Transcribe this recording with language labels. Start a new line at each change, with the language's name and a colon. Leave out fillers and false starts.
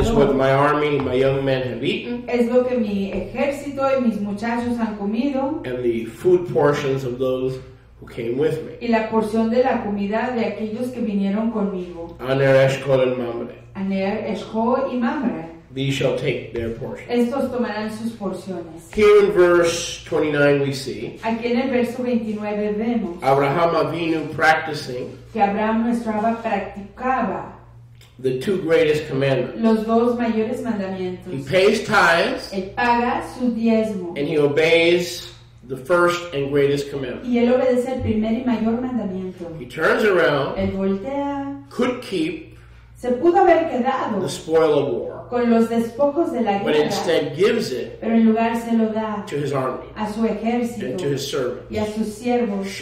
English: Is what my army and my young men have eaten.
Spanish: Es lo que mi ejército y mis muchachos han comido.
English: And the food portions of those who came with me.
Spanish: Y la porción de la comida de aquellos que vinieron conmigo.
English: Aner Eshkol and Mamre.
Spanish: Aner Eshko y Mamre.
English: These shall take their portion.
Spanish: Estos tomarán sus porciones.
English: Here in verse 29 we see.
Spanish: Aquí en el verso 29 vemos.
English: Abraham Avinu practicing.
Spanish: Que Abraham nuestro Abba practicaba.
English: The two greatest commandments.
Spanish: Los dos mayores mandamientos.
English: He pays tithes.
Spanish: Él paga su diezmo.
English: And he obeys the first and greatest commandment.
Spanish: Y él obedece el primer y mayor mandamiento.
English: He turns around.
Spanish: Él voltea.
English: Could keep.
Spanish: Se pudo haber quedado.
English: The spoil of war.
Spanish: Con los despojos de la guerra.
English: But instead gives it.
Spanish: Pero en lugar se lo da.
English: To his army.
Spanish: A su ejército.
English: And to his servants.
Spanish: Y a sus siervos.